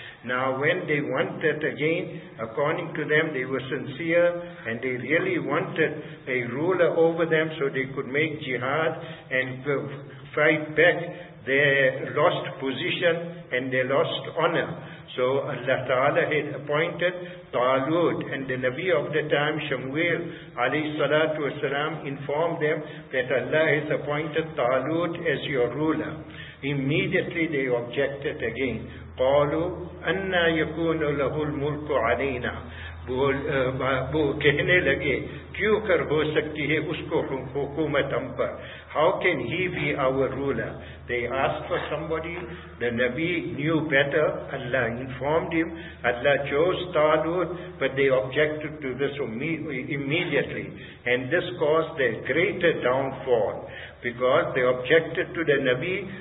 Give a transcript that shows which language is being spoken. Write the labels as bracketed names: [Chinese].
[English] Now when they wanted again, according to them, they were sincere and they really wanted a ruler over them so they could make jihad and fight back their lost position and their lost honor. So Allah Ta'ala had appointed Talut, and the Nabi of the time, Shamuel alayhi salatu wasalam, informed them that Allah has appointed Talut as your ruler. Immediately they objected again. [Arabic] قالوا أن يكون له الملك علينا. [Urdu] وہ کہنے لگے کیوں کر ہو سکتی ہے اس کو حکومت ہم پر. [English] How can he be our ruler? They asked for somebody. The Nabi knew better. Allah informed him. Allah chose Talut, but they objected to this immediately. And this caused their greater downfall, because they objected to the Nabi.